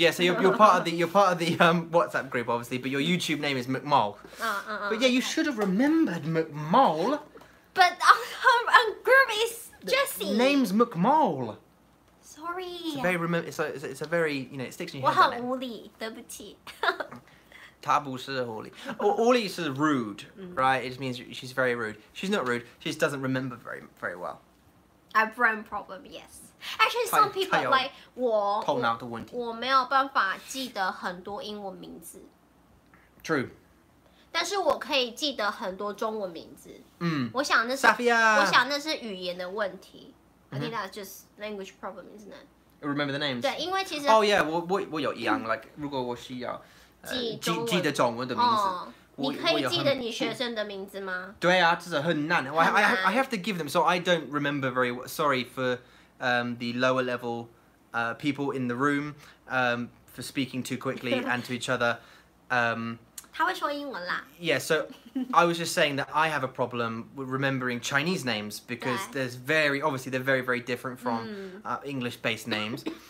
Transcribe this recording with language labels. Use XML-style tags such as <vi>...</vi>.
<en>Yeah. So you're part of the WhatsApp group, obviously. But your YouTube name is McMull. But yeah, you should have remembered McMull. But our group is Jesse. Name's McMull. Sorry. It's a very you know, it sticks in your head.</en> <zh>我很无理，对不起。他不是狐狸。</zh> <en>狐狸 is rude, right? It just means she's very rude. She's not rude. She just doesn't remember very well. A brain problem, yes. Actually, some people like</en> <zh>我没有办法记得很多英文名字.</zh> <en>True.</en> <zh>但是我可以记得很多中文名字. 嗯。我想那是 Safia. 我想那是语言的问题.</zh> <en>I think that's just language problem, isn't it? Remember the names.</en> <zh>对，因为其实 Oh yeah, 我有一样 like 如果我需要记中文的名字。你可以记得你学生的名字吗？对啊，这是很难。</zh> <en>I have to give them, so I don't remember very well. Sorry for the lower level people in the room for speaking too quickly and to each other.</en> <zh>他会说英文啦。</zh> <en>Yeah, so I was just saying that I have a problem with remembering Chinese names because there's very obviously they're very very different from English based names.</en>